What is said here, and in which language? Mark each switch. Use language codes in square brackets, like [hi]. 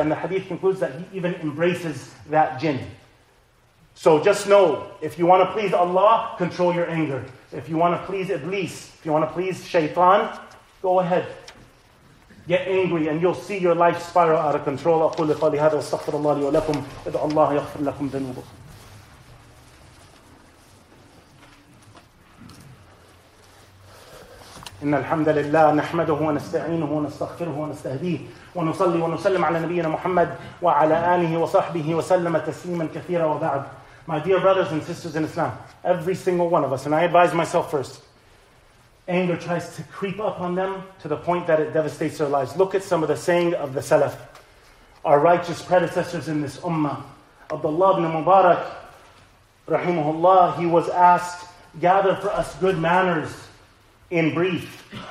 [en] And the hadith concludes that he even embraces that jinn. So just know, if you want to please Allah, control your anger. If you want to please Iblis, if you want to please Shaytan, go ahead. Get angry and you'll see your life spiral out of control. [ar] أقول لقالي هذا واستغفر الله لي ولكم إذا الله يغفر لكم ذنوبكم. إن الحمد لله نحمده ونستعينه ونستغفره ونستهديه ونصلي ونسلم على نبينا محمد وعلى آله وصحبه وسلم تسليما كثيرا وبعد. [en] My dear brothers and sisters in Islam, every single one of us, and I advise myself first, anger tries to creep up on them to the point that it devastates their lives. Look at some of the saying of the Salaf, our righteous predecessors in this Ummah. Abdullah ibn Mubarak, rahimahullah, he was asked, gather for us good manners in brief.